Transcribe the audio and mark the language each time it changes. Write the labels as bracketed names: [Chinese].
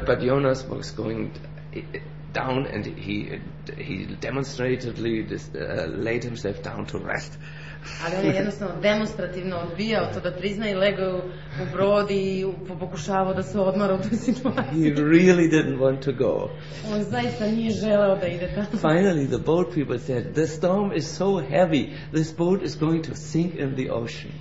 [English] But Jonas was going down and he demonstratively laid himself down to rest. [Serbian] Ali on je jednostavno demonstrativno odbijao to da prizna i legao u brod i pokušavao da se odmara u toj situaciji. [English] He really didn't want to go. [Serbian] On zaista nije želeo da ide tamo. [English] Finally the boat people said, the storm is so heavy, this boat is going to sink in the ocean.